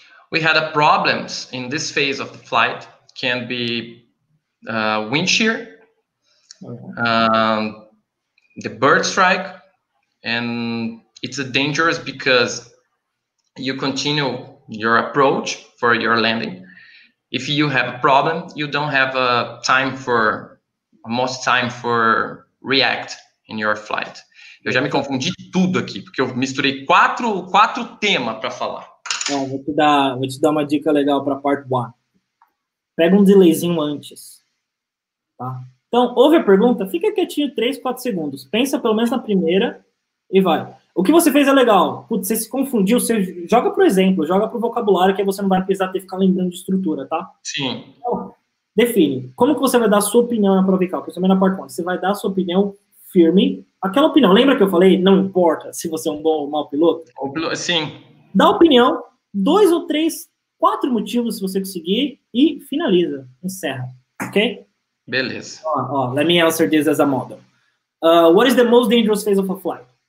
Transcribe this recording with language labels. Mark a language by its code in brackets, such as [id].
[en] We had a problems in this phase of the flight. Can be wind shear, the bird strike, and it's a dangerous because you continue your approach for your landing. If you have a problem, you don't have a time for most time for react in your flight. [pt] Eu já me confundi tudo aqui, porque eu misturei quatro temas para falar. Bom, vou te dar uma dica legal para part one. Pega um delayzinho antes. Tá? Então, ouve a pergunta, fica quietinho 3, 4 segundos. Pensa pelo menos na primeira e vai. O que você fez é legal. Putz, você se confundiu, você joga pro exemplo, joga pro vocabulário, que aí você não vai precisar ter ficar lembrando de estrutura, tá? Sim. Então, define. Como que você vai dar a sua opinião na prova vocal? Principalmente na parte 1. Você vai dar a sua opinião firme. Aquela opinião, lembra que eu falei? Não importa se você é um bom ou mau piloto. Sim. Dá opinião, 2 ou 3, 4 motivos se você conseguir e finaliza, encerra. Ok? Beleza. [en] Let me answer this as a model. What is the most dangerous phase of a flight?